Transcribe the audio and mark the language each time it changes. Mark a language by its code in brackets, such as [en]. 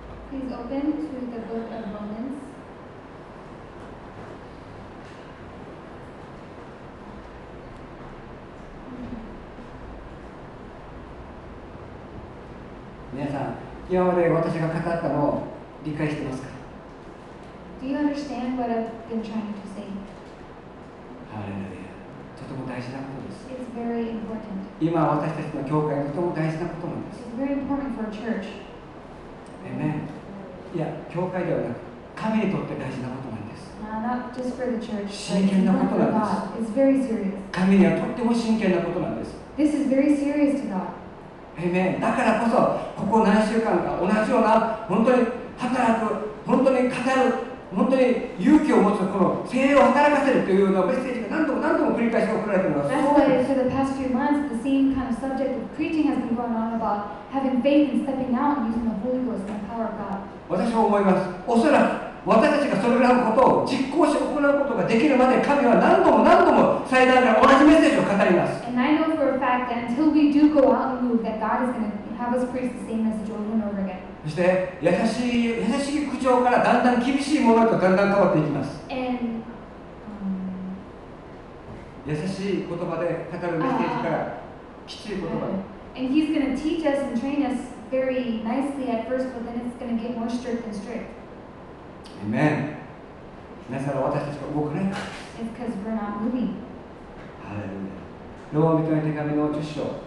[en] Please open to the book of Romans. [ja] 皆さん、今まで私が語ったのを理解していますか？ [en] Do you understand what I've been trying to say? [ja] ハレルヤ。とても大事なことです。 [en] It's very important. [ja] 今私たちの教会はとても大事なことなんです。 [en] It's very important for a church. [ja] アメン。いや、教会ではなく、神にとって大事なことなんです。 [en] Not just for the church. [ja] 真剣なことなんです。 [en] It's very serious. [ja] 神にはとっても真剣なことなんです。 [en] This is very serious to God. [ja] だからこそここ何週間か同じような本当に働く本当に語る本当に勇気を持つこの精霊を働かせるというようなメッセージが何度も何度も繰り返し送られています。 [en] That's why for the past few months the same kind of subject of preaching has been going on about having faith and stepping out and using the Holy Ghost and the power of God. [ja] 私も思います。おそらく私たちがそれらのことを実行し行うことができるまで神は何度も何度も祭壇から同じメッセージを語ります。 [en] And I know for a fact that until we do go out and move that God is going to have us preach the same message over and over again. [ja] そして優しい口調からだんだん厳しいものとだんだん変わっていきます。優しい言葉で語るメッセージからきつい言葉に。 [en] And he's going to teach us and train us very nicely at first, but then it's going to get more strict and strict. Amen. [ja] なぜなら私たちが動かないか。 [en] It's because we're not moving. [ja] ハレルヤ。ローマ人への手紙の10章。